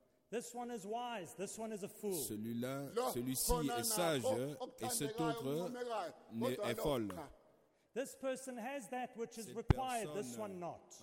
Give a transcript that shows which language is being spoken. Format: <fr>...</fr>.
<en>This one is wise, this one is a fool.</en> <fr>Celui-là, celui-ci est sage, et cet autre est folle.</fr> <en>This person has that which is required, this one not.</en>